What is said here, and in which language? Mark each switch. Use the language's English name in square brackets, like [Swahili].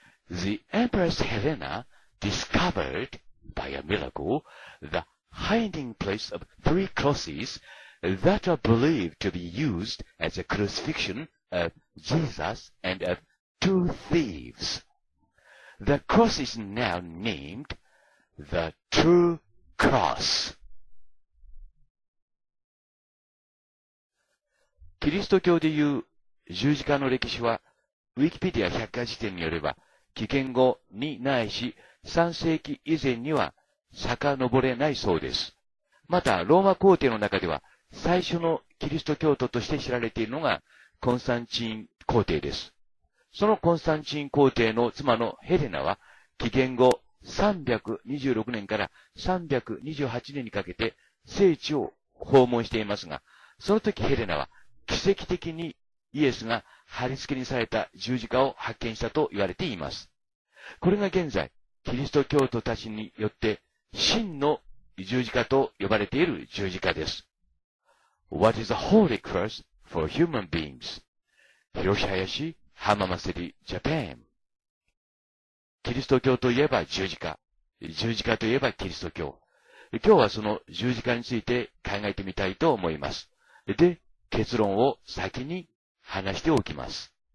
[English] The Empress Helena discovered, by a miracle, the hiding place of three crosses that are believed to be used as a crucifixion of Jesus and of two thieves. The cross is now named the True Cross. [Japanese] キリスト教でいう十字架の歴史は、ウィキペディア百科事典によれば、紀元後にないし3世紀以前には遡れないそうです。またローマ皇帝の中では最初のキリスト教徒として知られているのがコンスタンチン皇帝です。そのコンスタンチン皇帝の妻のヘレナは紀元後326年から328年にかけて聖地を訪問していますが、その時ヘレナは奇跡的にイエスが貼り付けにされた十字架を発見したと言われています。これが現在、キリスト教徒たちによって真の十字架と呼ばれている十字架です。 [English] What is a holy cross for human beings? [Japanese] 広瀬林、浜松市、Japan。キリスト教といえば十字架。十字架といえばキリスト教。今日はその十字架について考えてみたいと思います。で、結論を先に話しておきます。